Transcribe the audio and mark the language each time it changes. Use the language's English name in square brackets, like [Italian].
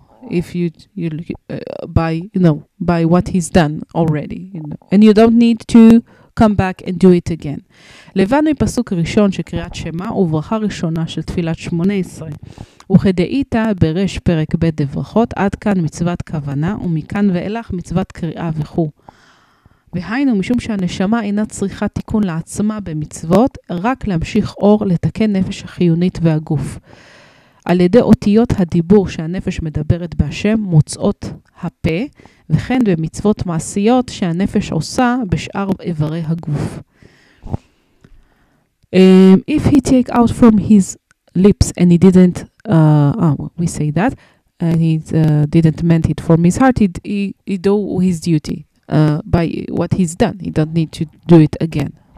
[English] If you by what he's done already, and you don't need to come back and do it again. [Hebrew] לבנו מפסוק ראשון של קריאת שמה וברכה ראשונה של תפילת 18. וכדאית ברש פרק ב' דברכות עד כאן מצוות כוונה ומכאן ואילך מצוות קריאה וכו'. והיינו משום שהנשמה אינה צריכה תיקון לעצמה במצוות, רק להמשיך אור לתקן נפש החיונית והגוף. על ידי אותיות הדיבור שהנפש מדברת בהשם מוצאות הפה, וכן במצוות מעשיות שהנפש עושה בשאר איברי הגוף. [English] If he take out from his lips and he didn't, didn't meant it from his heart, he do his duty. By what he's done, he don't need to do it again.